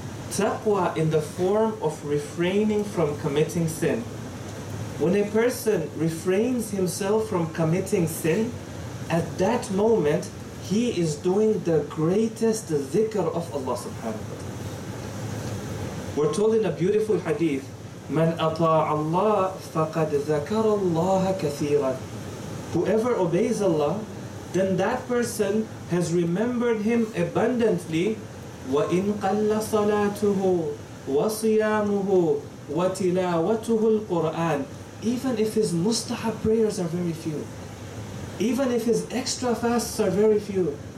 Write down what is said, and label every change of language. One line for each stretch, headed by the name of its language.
English: Taqwa in the form of refraining from committing sin. When a person refrains himself from committing sin, at that moment he is doing the greatest dhikr of Allah subhanahu wa ta'ala. We're told in a beautiful hadith,
Arabic: مَنْ أَطَاعَ اللَّهَ فَقَدْ ذَكَرَ اللَّهَ كَثِيرًا.
English: Whoever obeys Allah, then that person has remembered Him abundantly.
Arabic: وَإِنْ قَلَّ صَلَاتُهُ وَصِيَامُهُ وَتِلَاوَتُهُ الْقُرْآنِ.
English: Even if his mustahab prayers are very few, even if his extra fasts are very few,